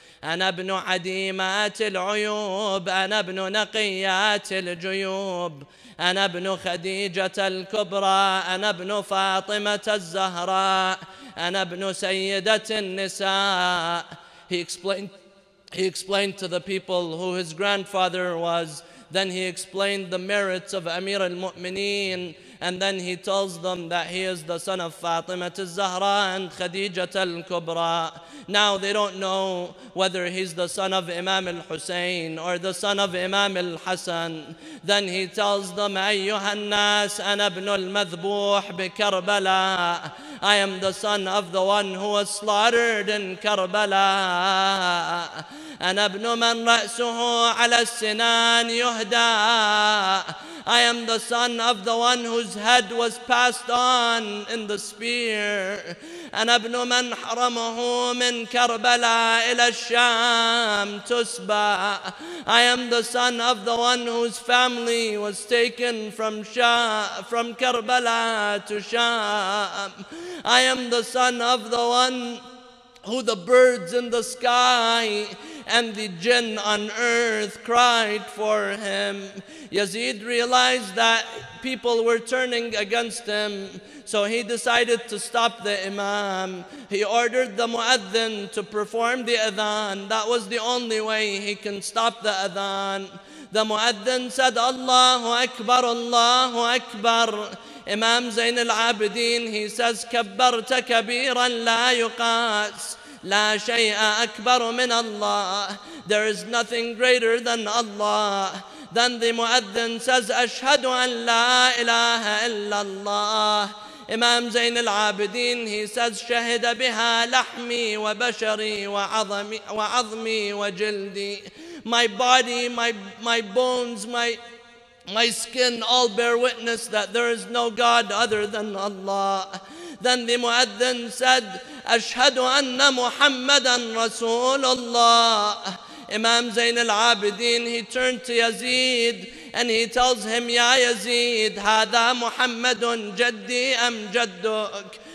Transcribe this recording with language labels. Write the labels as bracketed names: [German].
[Arabic] أنا ابن عديمات العيوب أنا ابن نقيات الجيوب أنا ابن خديجة الكبرى أنا ابن فاطمة الزهراء أنا ابن سيدة النساء. [English] He explained to the people who his grandfather was. Then he explained the merits of Amir al-Mu'mineen. And then he tells them that he is the son of Fatima al-Zahra and Khadija al-Kubra. Now they don't know whether he's the son of Imam al-Husayn or the son of Imam al-Hasan. Then he tells them, [Arabic] أَيُّهَا النَّاسِ أَنَا ابْنُ الْمَذْبُوحِ بِكَرْبَلَىٰ. [English] I am the son of the one who was slaughtered in Karbala. [Arabic] أَنَا ابْنُ مَنْ رَأْسُهُ عَلَى السِّنَانِ يُهْدَىٰ. [English] I am the son of the one whose head was passed on in the spear. [Arabic] أَنَا ابْنُ مَنْ حَرَمُهُ مِنْ كَرْبَلَىٰ إِلَى الشَّامِ تُسْبَىٰ. [English] I am the son of the one whose family was taken from Karbala to Sham. I am the son of the one who the birds in the sky and the jinn on earth cried for him. Yazid realized that people were turning against him, so he decided to stop the imam. He ordered the muadhin to perform the adhan. That was the only way he can stop the adhan. The muadhin said, [Arabic] Allahu Akbar, Allahu Akbar. [English] Imam Zain al-Abidin, he says, [Arabic] كبرت كبيرا لا يقاس لا شيء أكبر من الله. [English] There is nothing greater than Allah. Then the muadhin says, [Arabic] أشهد أن لا إله إلا الله. [English] Imam Zain al-Abidin, he says, [Arabic] شهد بها لحمي وبشري وعظمي وجلدي. [English] My body, my bones, my skin all bear witness that there is no God other than Allah. Then the muadhin said, [Arabic] Ashhadu anna Muhammadan Rasulullah. [English] Imam Zain al-Abidin, he turned to Yazid and he tells him, [Arabic] Ya Yazid, Hada Muhammadun Jaddi am Jadduk.